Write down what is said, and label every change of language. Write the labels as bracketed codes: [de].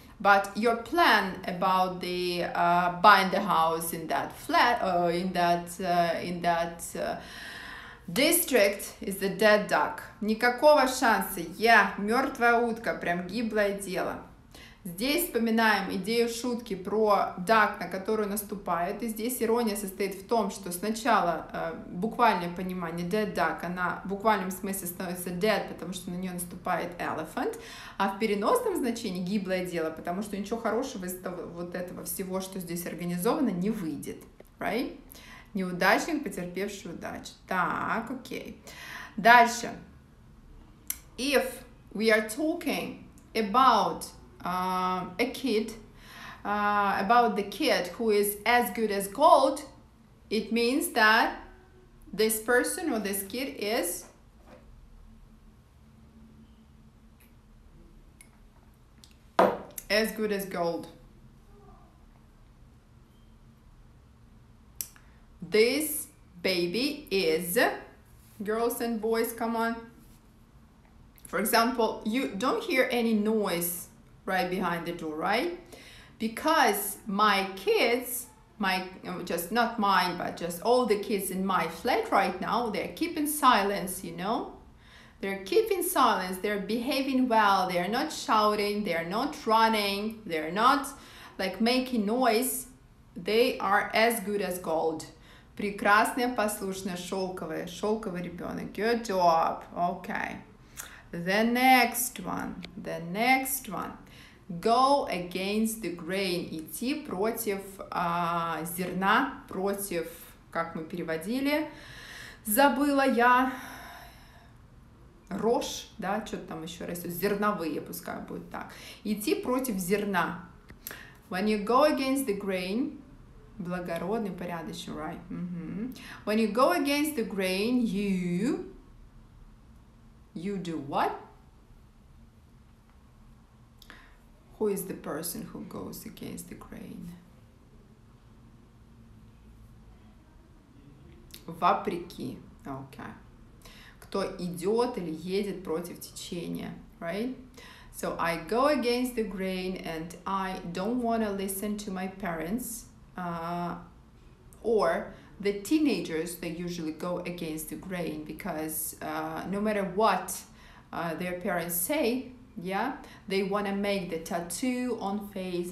[en] But your plan about the buying the house in that flat or in that district is the dead duck. [ru] Никакого шанса. Yeah, мертвая утка, прям гиблое дело. Здесь вспоминаем идею шутки про duck, на которую наступают. И здесь ирония состоит в том, что сначала буквальное понимание dead duck, она в буквальном смысле становится dead, потому что на нее наступает elephant, а в переносном значении гиблое дело, потому что ничего хорошего из того, вот этого всего, что здесь организовано, не выйдет. [en] Right? [ru] Неудачник, потерпевший удачу. Так, окей. Дальше. [en] If we are talking about a kid, about the kid who is as good as gold, it means that this person or this kid is as good as gold. This baby is, girls and boys, come on. For example, you don't hear any noise right behind the door, right? Because my kids, just all the kids in my flat right now, they're keeping silence, you know? They're keeping silence, they're behaving well, they're not shouting, they're not running, they're not like making noise. They are as good as gold. [ru] Прекрасная, послушная, шелковая, шелковый ребенок. [en] Good job. Okay. The next one. Go against the grain. [ru] Идти против зерна, против, как мы переводили, забыла я, рожь, да, что-то там еще растет, зерновые, пускай будет так. Идти против зерна. [en] When you go against the grain, [ru] благородный, порядочный, [en] right? Mm-hmm. When you go against the grain, you do what? Who is the person who goes against the grain? [ru] Вопреки. Okay. Кто идет или едет против течения. [en] Right? So I go against the grain and I don't want to listen to my parents. Or the teenagers, they usually go against the grain because no matter what their parents say, yeah, they want to make the tattoo on face.